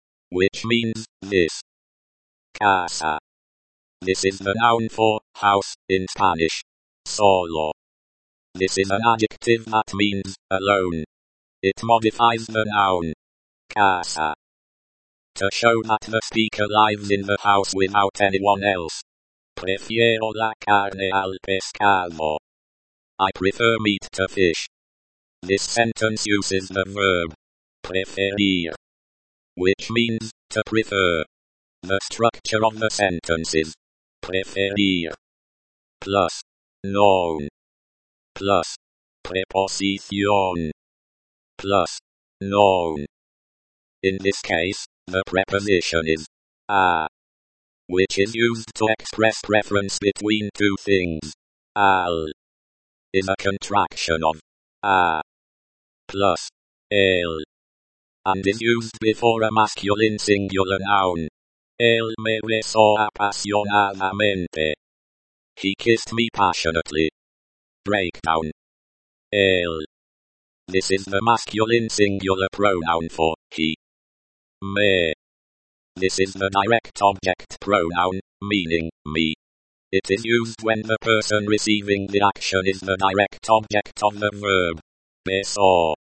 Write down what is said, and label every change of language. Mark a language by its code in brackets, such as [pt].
[en] Which means, this. Casa. This is the noun for, house, in Spanish. Solo. This is an adjective that means, alone. It modifies the noun. Casa. To show that the speaker lives in the house without anyone else. [es] Prefiero la carne al pescado. [en] I prefer meat to fish. This sentence uses the verb preferir, which means to prefer. The structure of the sentence is preferir plus noun plus preposición plus noun. In this case, the preposition is a, which is used to express preference between two things. Al is a contraction of a plus el, and is used before a masculine singular noun. [es] El me besó apasionadamente. [en] He kissed me passionately. Breakdown. El. This is the masculine singular pronoun for he. Me. This is the direct object pronoun, meaning me. It is used when the person receiving the action is the direct object of the verb. Besó.